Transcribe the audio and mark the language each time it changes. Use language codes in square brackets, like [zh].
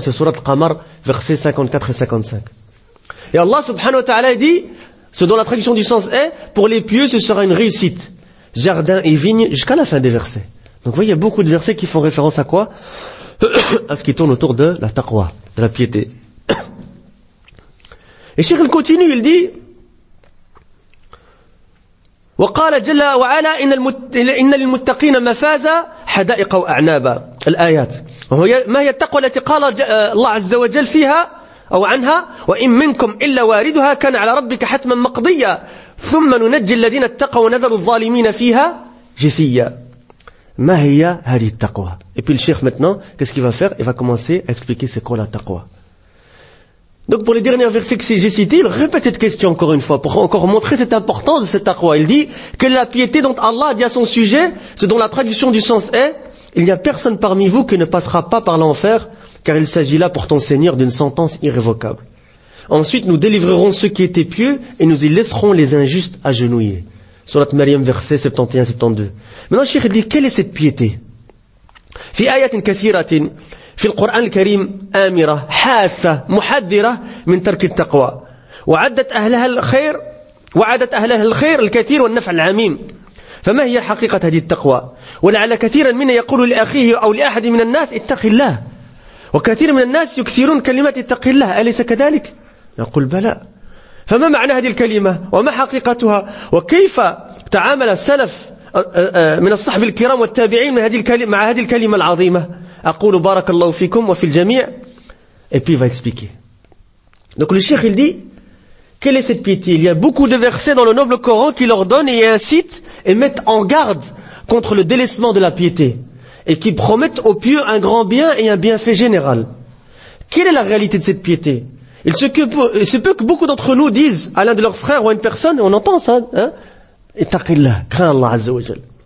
[fr] C'est surat Al-Qamar, versets 54 et 55. Et Allah subhanahu wa ta'ala dit, ce dont la traduction du sens est, pour les pieux ce sera une réussite. Jardin et vigne, jusqu'à la fin des versets. Donc vous voyez, il y a beaucoup de versets qui font référence à quoi? À ce qui tourne autour de la taqwa, de la piété. Et Cheikh continue, il dit, [ar] وقال جل وعلا إن للمتقين مفازا حدائق وأعنابا الآيات ما هي التقوى التي قال الله عز وجل فيها أو عنها وإن منكم إلا واردها كان على ربك حتما مقضيا ثم ننجي الذين اتقوا ونذر الظالمين فيها جثيا ما هي هذه التقوى. [fr] Et puis le chef maintenant, qu'est-ce qu'il va faire? Il va commencer à expliquer c'est quoi la taqwa. Donc pour les derniers versets que j'ai cités, il répète cette question encore une fois, pour encore montrer cette importance de cette taqwa. Il dit que la piété dont Allah dit à son sujet, ce dont la traduction du sens est, il n'y a personne parmi vous qui ne passera pas par l'enfer, car il s'agit là pour ton Seigneur d'une sentence irrévocable. Ensuite nous délivrerons ceux qui étaient pieux, et nous y laisserons les injustes agenouillés. Surat Maryam, verset 71-72. Maintenant Cheikh dit, quelle est cette piété? [ar] في آيات كثيرة في القرآن الكريم آمرة حاسة محذرة من ترك التقوى وعدت أهلها الخير وعدت أهلها الخير الكثير والنفع العميم فما هي حقيقة هذه التقوى؟ ولعل كثيرا منا يقول لأخيه أو لأحد من الناس اتق الله وكثير من الناس يكثرون كلمة اتق الله أليس كذلك؟ يقول بلى. فما معنى هذه الكلمة وما حقيقتها وكيف تعامل السلف من الصحب الكرام والتابعين مع هذه الكلمة العظيمة أقول بارك الله فيكم وفي الجميع. [fr] Et puis il va expliquer. Donc le cheikh il dit, quelle est cette piété? Il y a beaucoup de versets dans le noble Coran qui leur donnent et incitent et mettent en garde contre le délaissement de la piété et qui promettent aux pieux un grand bien et un bienfait général. Quelle est la réalité de cette piété? Il se peut que beaucoup d'entre nous disent à l'un de leurs frères ou à une personne, on entend ça, hein, Ittaqillah, crains Allah Azza wa Jal.